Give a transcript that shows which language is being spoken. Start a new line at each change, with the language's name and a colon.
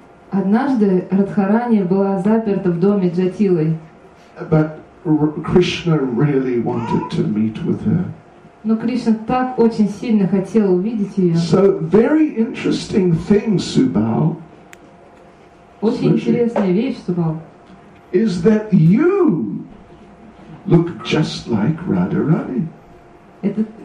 Russian: Однажды Радхарани была заперта в доме Джатилы.
English: But Krishna really wanted to meet with her.
Russian: Но Кришна так очень сильно хотел увидеть ее.
English: So very interesting thing, Subal.
Russian: Очень интересная вещь, Субал.
English: Is that you look just like Radharani?
Russian: Это